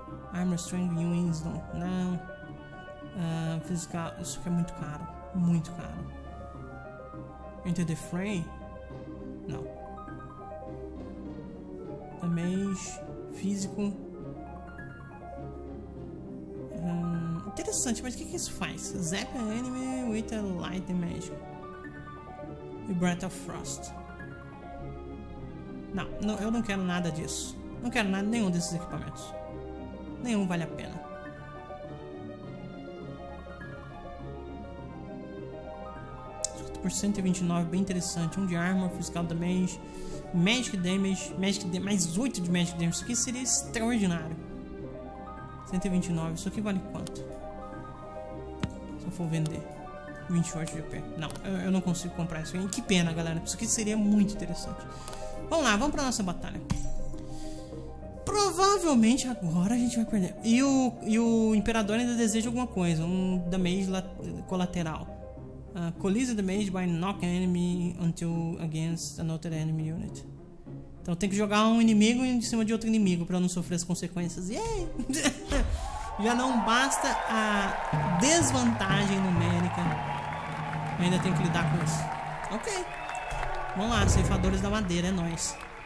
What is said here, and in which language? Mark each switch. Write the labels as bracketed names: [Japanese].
[Portuguese] Armor Strength e Winsdom. Não. Physical. Isso aqui é muito caro. Muito caro. Enter the Fray? Não. Damage. Físico. Interessante, mas o que, que isso faz? [English] Zap an enemy with a light damage. [Portuguese] E Breath of Frost. Não, não, eu não quero nada disso. Não quero nada, nenhum desses equipamentos. Nenhum vale a pena. Por 129, bem interessante. Um de armor, physical damage, magic damage, mais 8 de magic damage. Isso aqui seria extraordinário. 129, isso aqui vale quanto? Se eu for vender. 28 de AP. Não, eu não consigo comprar isso. Que pena, galera. Isso aqui seria muito interessante. Vamos lá, vamos pra nossa batalha. Provavelmente agora a gente vai perder. E o Imperador ainda deseja alguma coisa. Um damage colateral. [English] Collision damage by knock an enemy until against another enemy unit. [Portuguese] Então tem que jogar um inimigo em cima de outro inimigo pra não sofrer as consequências. Yay! Já não basta a desvantagem numérica. Ainda tem que lidar com isso. Ok. Vamos lá, ceifadores da madeira, é nóis.